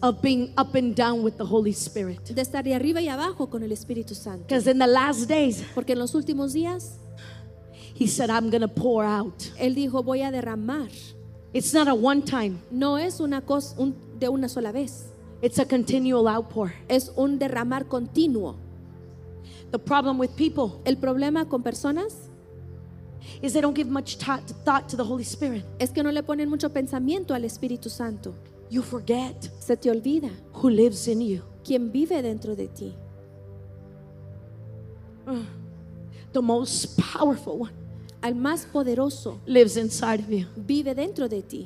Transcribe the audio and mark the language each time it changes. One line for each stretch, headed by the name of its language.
English: of being up and down with the Holy Spirit.
Spanish: De estar de arriba y abajo con el Espíritu Santo.
English: Because in the last days,
Spanish: porque en los últimos días,
English: He said, "I'm going to pour out."
Spanish: Él dijo, "Voy a derramar."
English: It's not a one time.
Spanish: No es una cosa de una sola vez.
English: It's a continual outpour.
Spanish: Es un derramar continuo.
English: The problem with people.
Spanish: El problema con personas.
English: Is they don't give much thought to the Holy Spirit.
Spanish: Es que no le ponen mucho pensamiento al Espíritu Santo.
English: You forget.
Spanish: Se te olvida.
English: Who lives in you?
Spanish: ¿Quién vive dentro de ti?
English: The most powerful one.
Spanish: Al más poderoso.
English: Lives inside of you.
Spanish: Vive dentro de ti.